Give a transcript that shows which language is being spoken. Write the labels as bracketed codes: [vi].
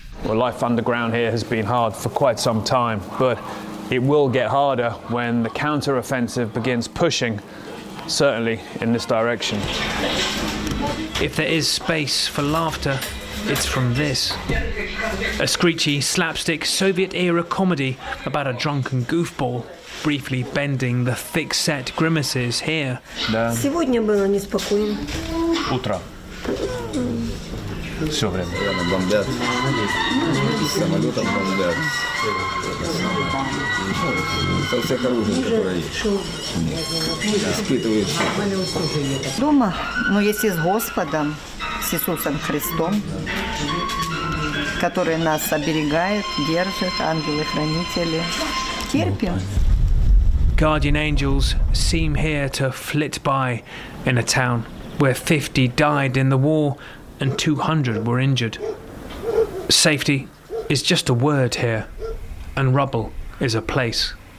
[en] Well, life underground here has been hard for quite some time, but it will get harder when the counter-offensive begins pushing, certainly in this direction. If there is space for laughter, it's from this. A screechy, slapstick Soviet-era comedy about a drunken goofball, briefly bending the thick-set grimaces here. [ru] Сегодня было неспокойно. Утро. Все время бомбят. Самолетом бомбят. Со всех оружий, которые испытывают. Дома, но если с Господом, с Иисусом Христом, который нас оберегает, держит, ангелы-хранители, терпим. [en] Guardian angels seem here to flit by in a town where 50 died in the war and 200 were injured. Safety is just a word here, and rubble is a place.